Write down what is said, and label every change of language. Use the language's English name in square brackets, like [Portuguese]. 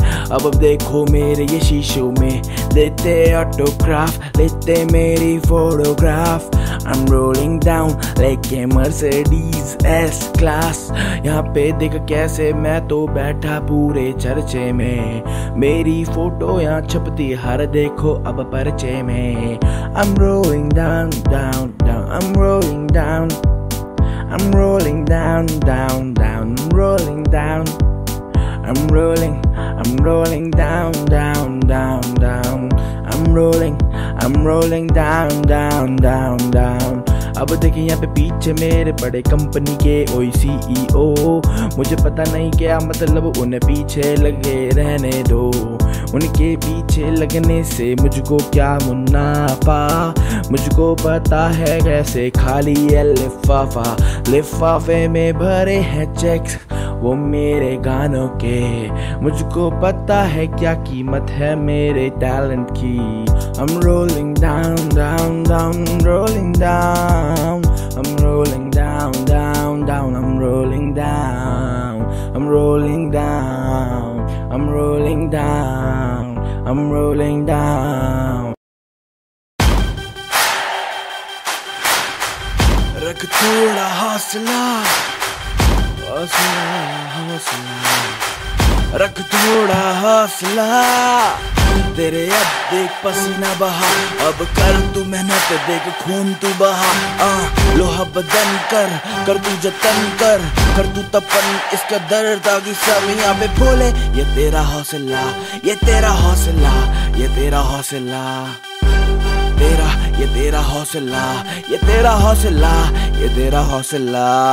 [Hindi] अब देखो मेरे ये शीशों में देते ऑटोग्राफ, लेते मेरी photograph. [English] I'm rolling down like a Mercedes S class। [Hindi] यहाँ पे देख कैसे मैं तो बैठा पूरे चर्चे में, मेरी फोटो यहाँ छपती हर देखो अब पर्चे में। [English] I'm rolling down, down, down, I'm rolling down, I'm rolling down, down, down, I'm rolling down, I'm rolling down, down, down, down, I'm rolling down, down, down, down. [Hindi] अब देखें यहाँ पे पीछे मेरे बड़े कंपनी के ओई CEO, मुझे पता नहीं क्या मतलब उन्हें पीछे लगे रहने दो। उनके पीछे लगने से मुझको क्या मुनाफा, मुझको पता है कैसे खाली है लिफाफा। लिफाफे में भरे हैं चेक्स वो मेरे गानों के, मुझको पता है क्या कीमत है मेरे टैलेंट की। [English] I'm rolling down, down, down, rolling down, I'm rolling down, down, down, I'm rolling down, I'm rolling down, I'm rolling down, I'm rolling down. [Hindi] रख थोड़ा हौसला, हौसला, रख थोड़ा हौसला, तेरे अब देख पसीना बहा। अब कर तू मेहनत देख खून तू बहा, लोहा बदन कर, कर तू जतन कर, कर तू तपन इस कदर ताकि सब यहाँ पे बोले ये तेरा हौसला, ये तेरा हौसला, ये तेरा हौसला, तेरा ये तेरा हौसला, ये तेरा हौसला, ये तेरा हौसला।